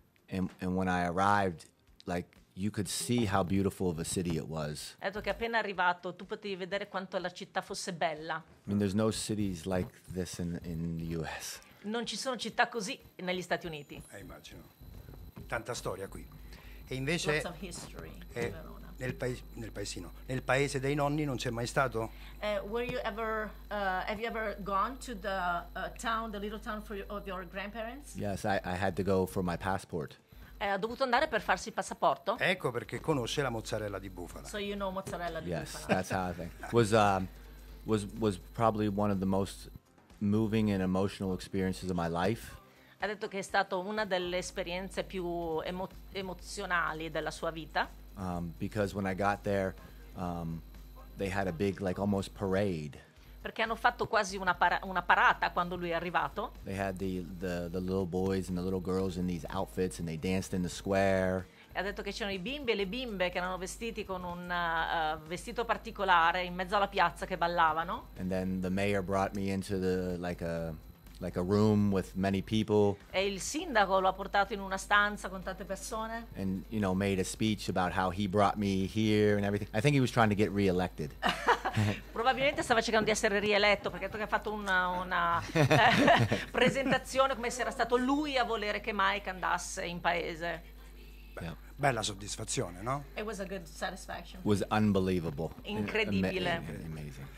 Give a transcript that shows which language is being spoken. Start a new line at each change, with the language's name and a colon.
English: And when I arrived, like you could see how beautiful of a city it was.
Italian: Detto che appena arrivato tu potevi vedere quanto la città fosse bella.
English: I mean, there's no cities like this in the U.S.
Italian: Non ci sono città così negli Stati Uniti. Immagino. Tanta storia qui. E invece.
English: Lots of history.
Italian: Nel paese dei nonni non c'è mai stato?
English: Have you ever gone to the town, the little town of your grandparents? Yes, I had to go for my passport.
Italian: Ha dovuto andare per farsi il passaporto? Ecco perché conosce la mozzarella di bufala.
English: So you know mozzarella di yes,
Italian: bufala.
English: Yes, that's how I think. Was probably one of the most moving and emotional experiences of my life.
Italian: Ha detto che è stata una delle esperienze più emozionali della sua vita.
English: Because when I got there, they had a big, like almost parade.
Italian: Perché hanno fatto quasi una parata quando lui è arrivato.
English: They had the little boys and the little girls in these outfits, and they danced in the square.
Italian: E ha detto che c'erano i bimbi e le bimbe che erano vestiti con un vestito particolare in mezzo alla piazza che ballavano.
English: And then the mayor brought me into like a room with many people.
Italian: E il sindaco lo ha portato in una stanza con tante persone.
English: And you know, made a speech about how he brought me here and everything. I think he was trying to get re-elected.
Italian: Probabilmente stava cercando di essere rieletto perché ha fatto una presentazione come se era stato lui a volere che Mike andasse in paese. Bella soddisfazione, no?
English: It was a good satisfaction. Was unbelievable.
Italian: Incredibile.
English: Amazing.